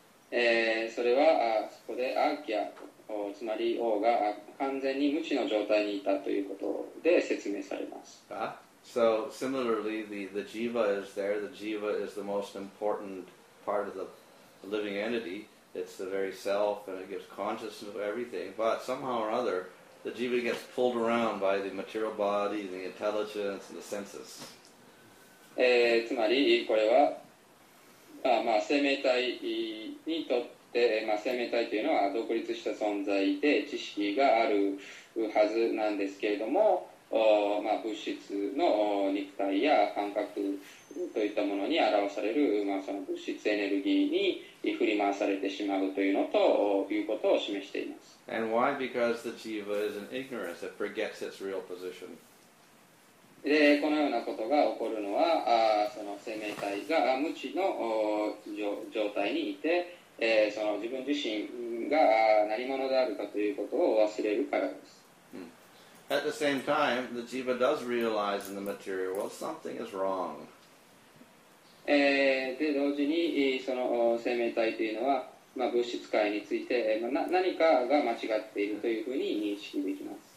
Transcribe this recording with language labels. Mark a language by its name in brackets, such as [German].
[Japanese] それはそこで agya、つまり王が完全に無知の状態にいたということで説明されます。 [English] So similarly, the jiva is there. The jiva is the most important part of the living entity. It's the very self and it gives consciousness of everything. But somehow or other,The jiva gets pulled around by the material body, the intelligence, and the senses. [Japanese] つまりこれは、まあ、生命体にとって、まあ、生命体というのは独立した存在で知識があるはずなんですけれども、まあ、物質の肉体や感覚といったものに表される、まあ、その物質エネルギーに振り回されてしまうというのと、いうことを示しています。 [English] And why? Because the jiva is in ignorance, it forgets its real position. [Japanese] で、このようなことが起こるのは、その生命体が無知の状態にいて、その自分自身が何者であるかということを忘れるからです。 Hmm. [English] At the same time, the jiva does realize in the material world something is wrong. [Japanese] で、同時にその生命体というのは、まあ、物質界について、まあ、何かが間違っているというふうに認識できます。